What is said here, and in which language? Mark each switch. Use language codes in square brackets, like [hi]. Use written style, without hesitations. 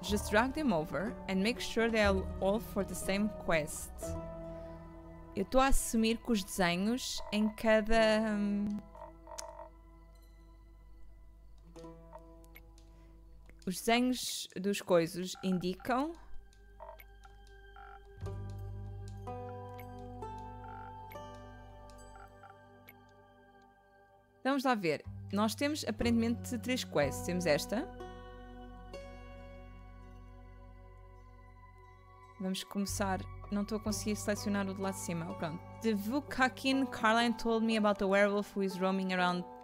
[en] Just drag them over and make sure they are all for the same quest. [pt] Eu estou a assumir que os desenhos em cada... Os desenhos dos coisos indicam... Vamos lá ver. Nós temos, aparentemente, três quests. Temos esta. Vamos começar. Não estou a conseguir selecionar o de lá de cima. Pronto. [en] The Vukakin Carline told me about the werewolf who is roaming around...